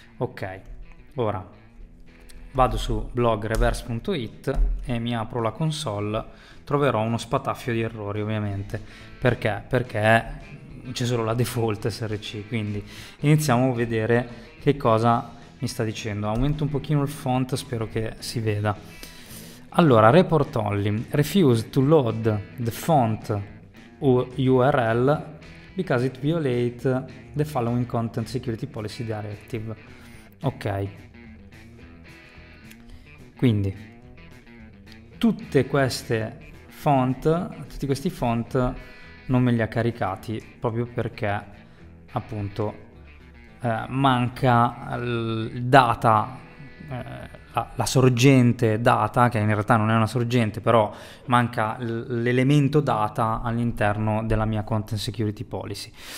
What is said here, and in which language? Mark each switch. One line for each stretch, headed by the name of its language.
Italian: Ok, ora vado su blog reverse.it e mi apro la console. Troverò uno spataffio di errori, ovviamente. Perché? Perché c'è solo la default src. Quindi iniziamo a vedere che cosa mi sta dicendo. Aumento un pochino il font, spero che si veda.
English: Allora, report only refuse to load the font URL because it violates the following content security policy directive.
Italian: Ok, quindi tutte queste font, tutti questi font non me li ha caricati, proprio perché appunto manca data, la sorgente data, che in realtà non è una sorgente, però manca l'elemento data all'interno della mia content security policy.